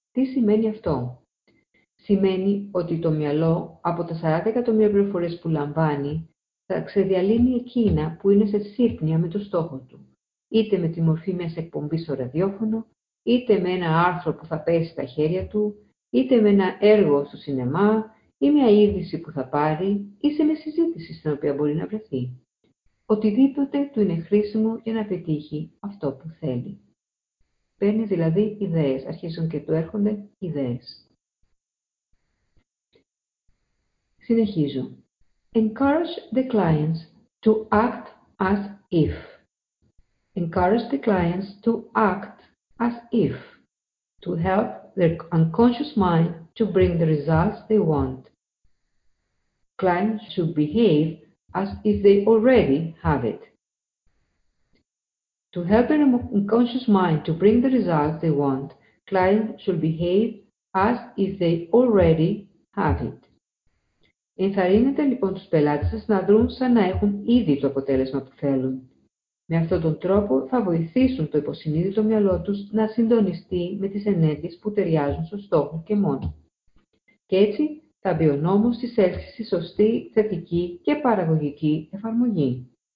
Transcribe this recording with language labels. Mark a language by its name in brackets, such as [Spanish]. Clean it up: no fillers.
[Greek] Τι σημαίνει αυτό? Σημαίνει ότι το μυαλό από τα 40 εκατομμύρια πληροφορίες που λαμβάνει θα ξεδιαλύνει εκείνα που είναι σε σύμφωνα με το στόχο του, είτε με τη μορφή μιας εκπομπής στο ραδιόφωνο, είτε με ένα άρθρο που θα πέσει στα χέρια του, είτε με ένα έργο στο σινεμά, ή μια είδηση που θα πάρει, ή σε μια συζήτηση στην οποία μπορεί να βρεθεί. Οτιδήποτε του είναι χρήσιμο για να πετύχει αυτό που θέλει. Παίρνει δηλαδή ιδέες, αρχίζουν και του έρχονται ιδέες. Συνεχίζω. [English] Encourage the clients to act as if. Encourage the clients to act as if. to help their unconscious mind to bring the results they want. Clients should behave as if they already have it. To help their unconscious mind to bring the results they want, clients should behave as if they already have it. [Greek] Ενθαρρύνετε λοιπόν τους πελάτες σας να δρουν σαν να έχουν ήδη το αποτέλεσμα που θέλουν. Με αυτόν τον τρόπο θα βοηθήσουν το υποσυνείδητο μυαλό τους να συντονιστεί με τις ενέργειες που ταιριάζουν στο στόχο και μόνο. Και έτσι θα μπει ο νόμος της έλξης στη σωστή, θετική και παραγωγική εφαρμογή.